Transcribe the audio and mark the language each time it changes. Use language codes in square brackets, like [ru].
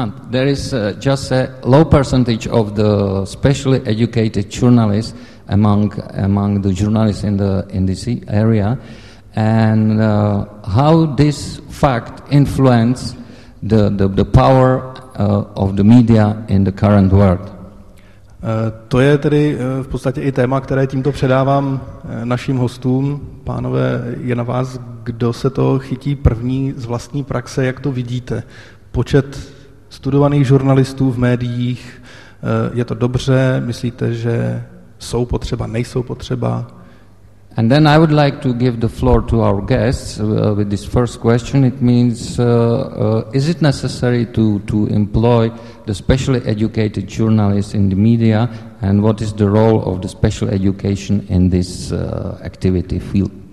[en] there is just a low percentage of the specially educated journalists among the journalists in this area, and how this fact influences the power of the media in the current world. [cs] To je tedy v podstatě i téma, které tímto předávám našim hostům. Pánové, je na vás, kdo se to chytí první z vlastní praxe, jak to vidíte? Počet studovaných žurnalistů v médiích, je to dobře? Myslíte, že jsou potřeba, nejsou potřeba? [en] And then I would like to give the floor to our guests with this first question. It means, is it necessary to employ the specially educated journalists in the media, and what is the role of the special education in this activity field?